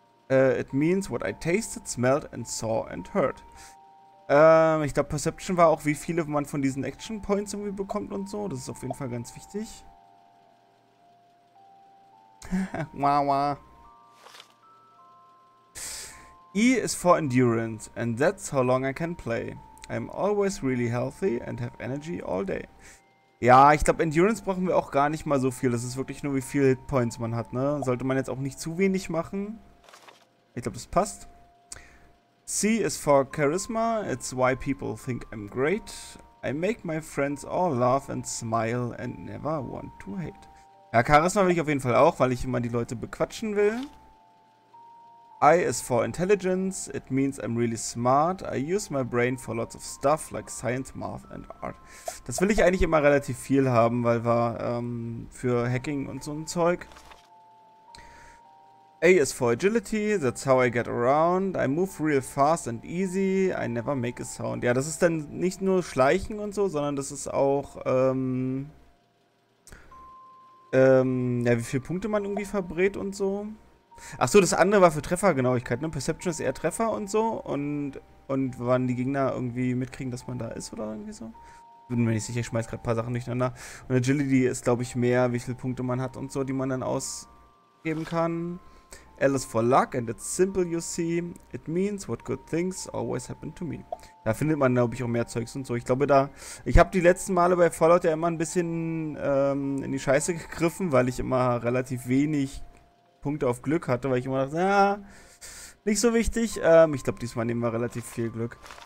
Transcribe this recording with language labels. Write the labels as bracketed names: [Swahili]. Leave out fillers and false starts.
[English] It means what I tasted, smelled and saw and heard. [German] Ich glaube, Perception war auch, wie viele man von diesen Action Points irgendwie bekommt und so. Das ist auf jeden Fall ganz wichtig. Wah, wah. [English] E is for endurance and that's how long I can play. I'm always really healthy and have energy all day. [German] Ja, ich glaube, Endurance brauchen wir auch gar nicht mal so viel. Das ist wirklich nur, wie viele Hit Points man hat, ne? Sollte man jetzt auch nicht zu wenig machen. Ich glaube, das passt. [English] C is for charisma. It's why people think I'm great. I make my friends all laugh and smile and never want to hate. [German] Ja, Charisma will ich auf jeden Fall auch, weil ich immer die Leute bequatschen will. [English] I is for intelligence. It means I'm really smart. I use my brain for lots of stuff like science, math and art. [German] Das will ich eigentlich immer relativ viel haben, weil wir für Hacking und so ein Zeug. [English] A is for agility, that's how I get around. I move real fast and easy, I never make a sound. [German] Ja, das ist dann nicht nur Schleichen und so, sondern das ist auch, ja, wie viele Punkte man irgendwie verbrät und so. Achso, das andere war für Treffergenauigkeit, ne? Perception ist eher Treffer und so. Und wann die Gegner irgendwie mitkriegen, dass man da ist oder irgendwie so. Bin mir nicht sicher, ich schmeiß gerade ein paar Sachen durcheinander. Und Agility ist, glaube ich, mehr, wie viele Punkte man hat und so, die man dann ausgeben kann. [English] L is for luck and it's simple, you see. It means what good things always happen to me. [German] Da findet man, glaube ich, auch mehr Zeugs und so. Ich glaube, da. Ich habe die letzten Male bei Fallout ja immer ein bisschen in die Scheiße gegriffen, weil ich immer relativ wenig Punkte auf Glück hatte, weil ich immer dachte, ja, nicht so wichtig. Ich glaube, diesmal nehmen wir relativ viel Glück.